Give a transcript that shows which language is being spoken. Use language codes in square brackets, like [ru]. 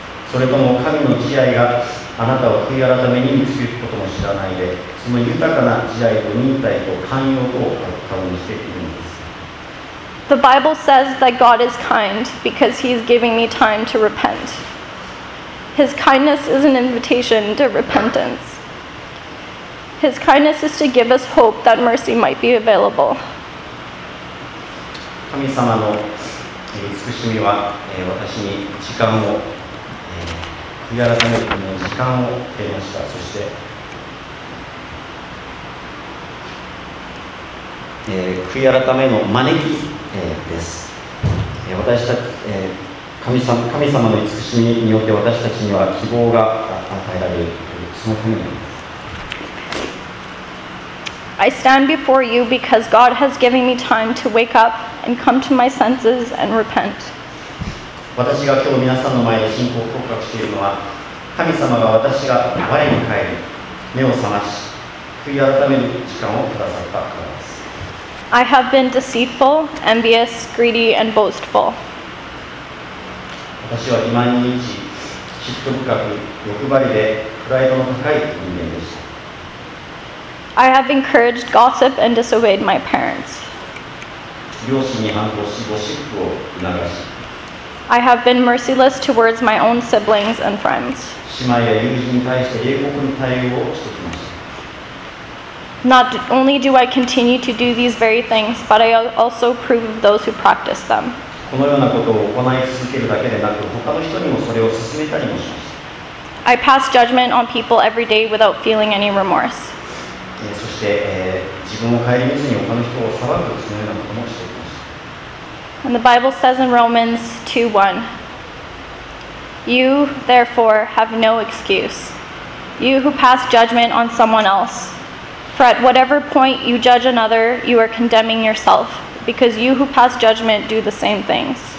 [ja] それとも神の慈愛があなたを悔い改めに導くことも知らないで、その豊かな慈愛と忍耐と寛容とを共にしているんです。 [en] The Bible says that God is kind because He is giving me time to repent. His kindness is an invitation to repentance. His kindness is to give us hope that mercy might be available. [ja] 神様の慈しみは私に時間を悔い改めるための時間をくれました。そして悔い改めの招きです。私たち神様の慈しみによって私たちには希望が与えられるそのためです。 [en] I stand before you because God has given me time to wake up and come to my senses and repent. [ja] 私が今日皆さんの前で信仰を告白しているのは、神様が私が我に返り、目を覚まし、悔い改める時間をくださったからです。 [en] I have been deceitful, envious, greedy, and boastful. [ja] 私は今に満ち、嫉妬深く、欲張りで、プライドの高い人間でした。 [en] I have encouraged gossip and disobeyed my parents. [ja] 両親に反抗し、ゴシップを促し。 [en] I have been merciless towards my own siblings and friends. [ja] 姉妹や友人に対して冷酷な対応をしてきました。 [en] Not only do I continue to do these very things, but I also approve of those who practice them. [ja] このようなことを行い続けるだけでなく、他の人にもそれを勧めたりもします。 [en] I pass judgment on people every day without feeling any remorse. [ja] そして、自分を顧みずに他の人を裁く、そのようなこともしています。 [en] And the Bible says in Romans 2:1, You, therefore, have no excuse. You who pass judgment on someone else,For at whatever point you judge another, you are condemning yourself, because you who pass judgment do the same things.